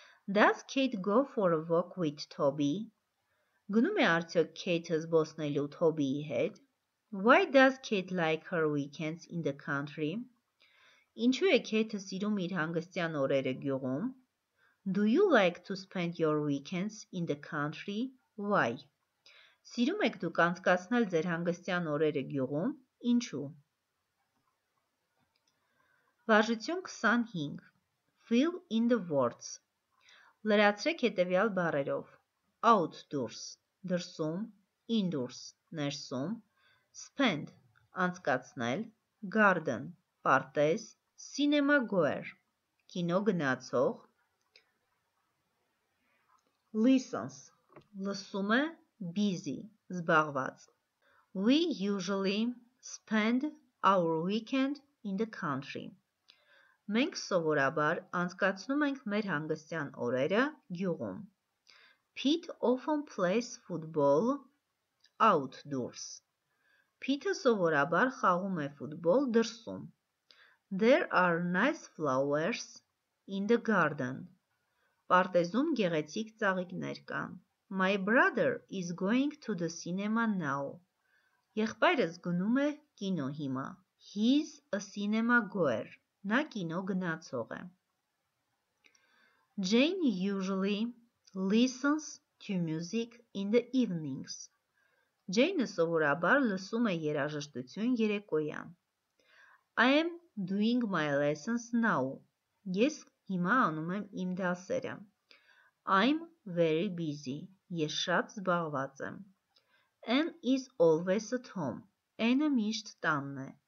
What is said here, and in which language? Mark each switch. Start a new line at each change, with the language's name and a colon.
English: Does Kate go for a walk with Toby?
Armenian: Գնում է արդյոք Kate-ը զբոսնելու Toby-ի հետ?
English: Why does Kate like her weekends in the country?
Armenian: Ինչու է Kate-ը սիրում իր հանգստյան օրերը գյուղում?
English: Do you like to spend your weekends in the country? Why?
Armenian: Սիրում եք դուք անցկացնել ձեր հանգստյան օրերը գյուղում? Ինչու? Վարժություն 25.
English: Fill in the words.
Armenian: Լրացրեք հետևյալ բառերով.
English: Outdoors. Դրսում. Indoors. Ներսում. Spend. Անցկացնել. Garden. Պարտեզ. Cinema goer. Կինո գնացող. Listens. Լսում է. Busy. Զբաղված. We usually spend our weekend in the country.
Armenian: Մենք սովորաբար անցկացնում ենք մեր հանգստյան օրերը գյուղում.
English: Pete often plays football outdoors.
Armenian: Pita sovorabar խաղում է ֆուտբոլ դրսում.
English: There are nice flowers in the garden.
Armenian: Պարտեզում գեղեցիկ ծաղիկներ կան.
English: My brother is going to the cinema now.
Armenian: Եղբայրս գնում է կինո հիմա.
English: He's a cinema goer.
Armenian: Նա կինո գնացող է.
English: Jane usually listens to music in the evenings.
Armenian: Jane-ը սովորաբար լսում է երաժշտություն երեկոյան.
English: I am doing my lessons now.
Armenian: Ես հիմա անում եմ իմ դասերը.
English: I'm very busy.
Armenian: Ես շատ զբաղված եմ.
English: Anne is always at home.
Armenian: Anne-ը միշտ տանն է.